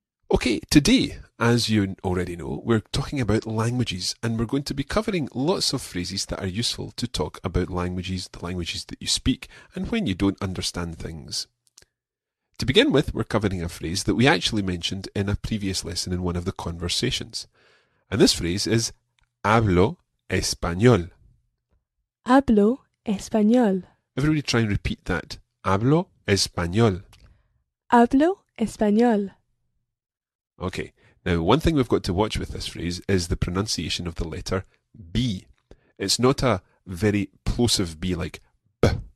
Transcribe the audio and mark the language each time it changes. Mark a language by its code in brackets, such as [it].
[en] Okay, today, as you already know, we're talking about languages and we're going to be covering lots of phrases that are useful to talk about languages, the languages that you speak, and when you don't understand things. To begin with, we're covering a phrase that we actually mentioned in a previous lesson in one of the conversations. And this phrase is [es] hablo español. Hablo español. [en] Everybody try and repeat that. [es] Hablo español. Hablo español. [en] Okay. Now, one thing we've got to watch with this phrase is the pronunciation of the letter B. It's not a very plosive B like B.